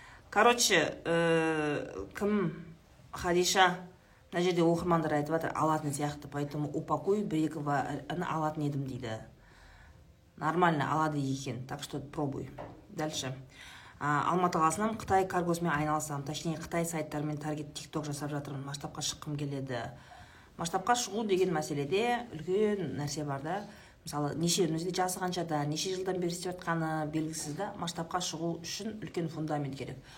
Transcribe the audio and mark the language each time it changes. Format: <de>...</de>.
<kk>Короче, кім? Хадиша. Мына жерде оқырмандар айтып жатыр, алатын сияқты,</kk> <ru>поэтому упакуй</ru> <kk>Брегова-ны алатын едім дейді.</kk> <ru>Нормально</ru> <kk>алады екен,</kk> <ru>так что пробуй. Дальше.</ru> <kk>Алматы қаласынан Қытай каргосымен айналысам, точнее Қытай сайттарымен таргет TikTok жасап жатырмын, масштабқа шыққым келеді. Масштабқа шығу деген мәселеде үлкен нәрсе бар да. Мысалы, неше өзіңізді жасы қанша да, неше жылдан бері істеп жатқаны белгісіз да, масштабқа шығу үшін үлкен фундамент керек.</kk>